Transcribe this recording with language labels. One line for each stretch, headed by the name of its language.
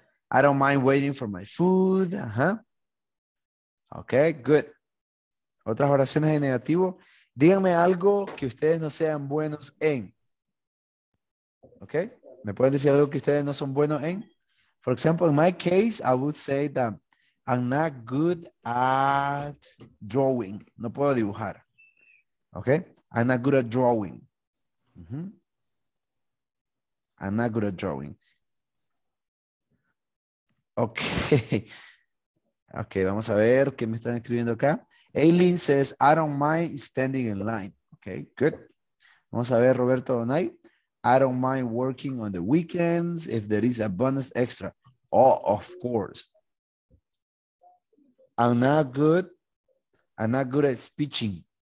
English: I don't mind waiting for my food. Uh-huh. Okay, good.
Spanish: Otras oraciones en negativo. Díganme algo que ustedes no sean buenos en. ¿Ok? ¿Me pueden decir algo que ustedes no son buenos en?
English: For example, in my case, I would say that I'm not good at drawing.
Spanish: No puedo dibujar.
English: ¿Ok? I'm not good at drawing. Mm-hmm. I'm not good at drawing. Ok.
Spanish: Ok, vamos a ver qué me están escribiendo acá.
English: Aileen says, I don't mind standing in line. Okay, good.
Spanish: Vamos a ver,
English: Roberto Donay. I don't mind working on the weekends if there is a bonus extra. Oh, of course. I'm not good at speaking.